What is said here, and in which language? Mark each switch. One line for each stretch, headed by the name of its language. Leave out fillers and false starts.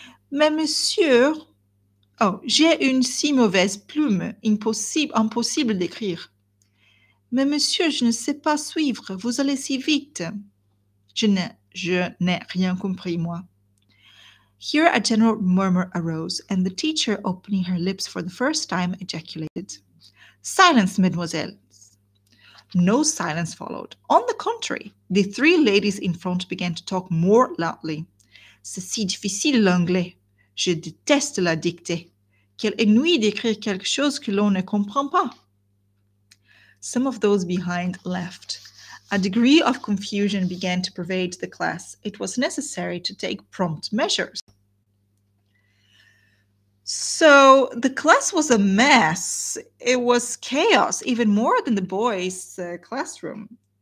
French: "Mais monsieur, oh, j'ai une si mauvaise plume, impossible d'écrire." "Mais monsieur, je ne sais pas suivre, vous allez si vite." Je n'ai rien compris, moi."
English: Here a general murmur arose, and the teacher, opening her lips for the first time, ejaculated,
French: "Silence, mademoiselle."
English: No silence followed. On the contrary, the three ladies in front began to talk more loudly.
French: "C'est si difficile l'anglais. Je déteste la dictée. Quel ennui d'écrire quelque chose que l'on ne comprend pas."
English: Some of those behind left. A degree of confusion began to pervade the class. It was necessary to take prompt measures. So the class was a mess. It was chaos, even more than the boys' classroom.